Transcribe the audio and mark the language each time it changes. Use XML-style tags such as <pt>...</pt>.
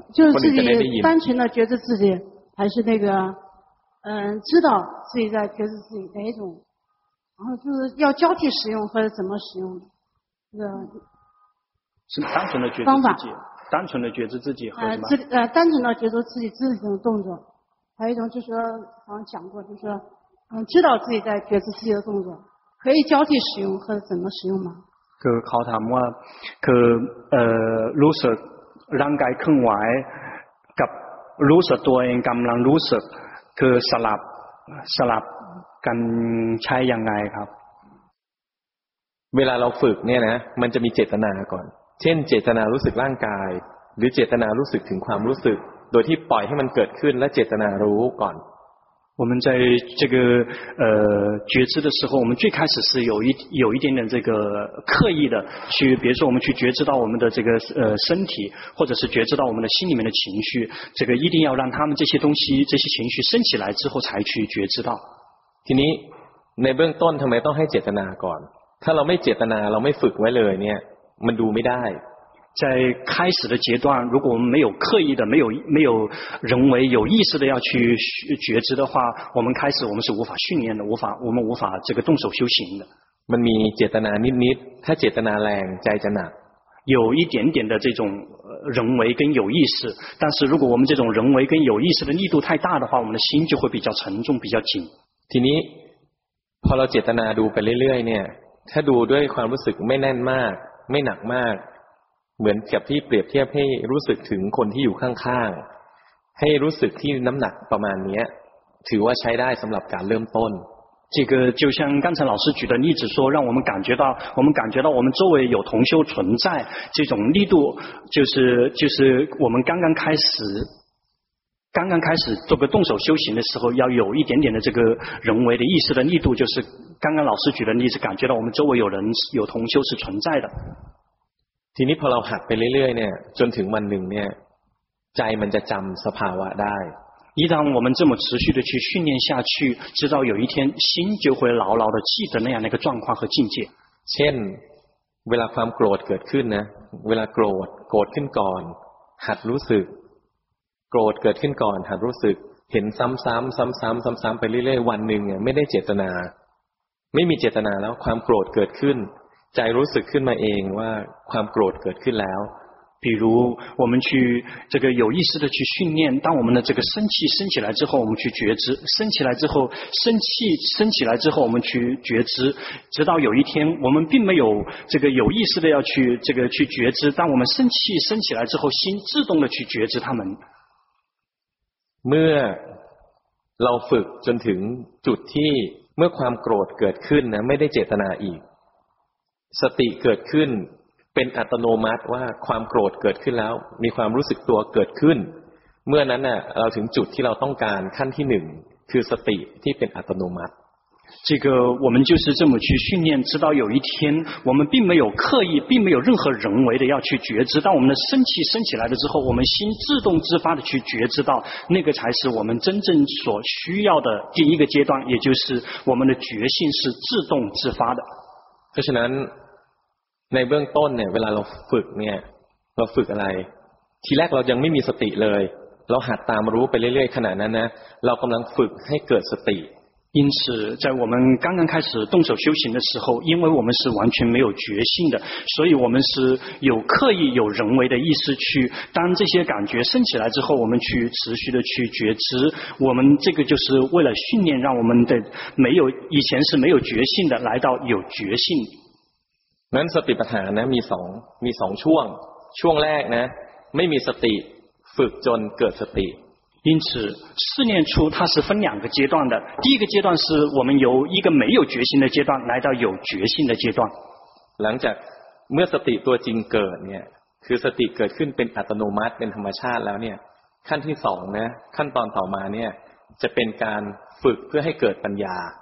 <zh>就是自己单纯的觉知自己还是那个知道自己在觉知自己哪一种然后就是要交替使用或者怎么使用是单纯的觉知自己单纯的觉知自己和什么单纯的觉知自己肢体的动作还有一种就是说好像讲过就是说知道自己在觉知自己的动作可以交替使用和怎么使用吗</zh> <th>คือเขาถามว่าคือรู้สึกร่างกายเคลื่อนไหวกับรู้สึกตัวเองกำลังรู้สึกคือสลับกันใช้ยังไงครับ เวลาเราฝึกเนี่ยนะมันจะมีเจตนาก่อนเช่นเจตนารู้สึกร่างกายหรือเจตนารู้สึกถึงความรู้สึกโดยที่ปล่อยให้มันเกิดขึ้นและเจตนารู้ก่อน</th> <zh>我们在这个觉知的时候，我们最开始是有一点点这个刻意的去，比如说我们去觉知到我们的这个身体，或者是觉知到我们的心里面的情绪，这个一定要让他们这些东西、这些情绪升起来之后才去觉知到。</zh> <th>ทีนี้ในเบื้องต้นทำไมต้องให้เจตนาก่อน？ถ้าเราไม่เจตนาเราไม่ฝึกไว้เลยเนี่ยมันดูไม่ได้</th> <zh>在开始的阶段，如果我们没有刻意的、没有人为有意识的要去觉知的话，我们开始我们是无法训练的，我们无法这个动手修行的。</zh> <th>มันมีเจตนานิดนิด ถ้าเจตนาแรงใจจะหนัก</th> <zh>有一点点的这种人为跟有意识，但是如果我们这种人为跟有意识的力度太大的话，我们的心就会比较沉重、比较紧。</zh> <th>ทีนี้พอเราเจตนาดูไปเรื่อยๆเนี่ย ถ้าดูด้วยความรู้สึกไม่แน่นมาก ไม่หนักมากเหมือนกับที่เปรียบเทียบให้รู้สึกถึงคนที่อยู่ข้างๆให้รู้สึกที่น้ำหนักประมาณนี้ถือว่าใช้ได้สำหรับการเริ่มต้น</th> <zh>这个就像刚才老师举的例子说让我们感觉到我们周围有同修存在这种力度就是我们刚刚开始做个动手修行的时候要有一点点的这个人为的意识的力度就是刚刚老师举的例子感觉到我们周围有人有同修是存在的</zh> <th>ทีนี้พอเราหัดไปเรื่อยๆเนี่ยจนถึงวันหนึ่งเนี่ยใจมันจะจำสภาวะได้</th> <zh>一旦我们这么持续的去训练下去直到有一天心就会牢牢的记得那样的一个状况和境界</zh> <th>เช่นเวลาความโกรธเกิดขึ้นนะเวลาโกรธขึ้นก่อนหัดรู้สึกโกรธเกิดขึ้นก่อนหัดรู้สึกเห็นซ้ำๆไปเรื่อยๆวันหนึ่งเนี่ยไม่ได้เจตนาไม่มีเจตนาแล้วความโกรธเกิดขึ้นใจรู้สึกขึ้นมาเองว่าความโกรธเกิดขึ้นแล้ว</th> <zh>比如我们去这个有意识的去训练当我们的这个生气升起来之后我们去觉知升起来之后生气升起来之后我们去觉知直到有一天我们并没有这个有意识的要去这个去觉知当我们生气升起来之后心自动的去觉知他们</zh> <th>เมื่อเราฝึกจนถึงจุดที่เมื่อความโกรธเกิดขึ้นนะไม่ได้เจตนาอีกสติเกิดขึ้นเป็นอัตโนมัติว่าความโกรธเกิดขึ้นแล้วมีความรู้สึกตัวเกิดขึ้นเมื่อนั้นน่ะเราถึงจุดที่เราต้องการขั้นที่หนึ่งคือสติที่เป็นอัตโนมัติ</th> <zh>这个我们就是这么去训练直到有一天我们并没有刻意并没有任何人为的要去觉知当我们的生气升起来了之后我们心自动自发的去觉知到那个才是我们真正所需要的第一个阶段也就是我们的觉性是自动自发的</zh> <th>เพราะฉะนั้นในเบื้องต้นเนี่ยเวลาเราฝึกเนี่ยเราฝึกอะไรทีแรกเรายังไม่มีสติเลยเราหัดตามรู้ไปเรื่อยๆขณะนั้นนะเรากำลังฝึกให้เกิดสติ</th> <zh>因此在我们刚刚开始动手修行的时候因为我们是完全没有觉性的所以我们是有刻意有人为的意识去当这些感觉升起来之后我们去持续的去觉知我们这个就是为了训练让我们的没有以前是没有觉性的来到有觉性</zh> <th>นั้นสติปัฏฐานนะมีสองช่วงช่วงแรกนะไม่มีสติฝึกจนเกิดสติ</th> <zh>因此试念初它是分两个阶段的第一个阶段是我们由一个没有觉性的阶段来到有觉性的阶段</zh> <th>หลังจากเมื่อสติตัวจริงเกิดเนี่ยคือสติเกิดขึ้นเป็นอัตโนมัติเป็นธรรมชาติแล้วเนี่ยขั้นที่สองนะขั้นตอนต่อมาเนี่ยจะเป็นการฝึกเพื่อให้เกิดปัญญา</th>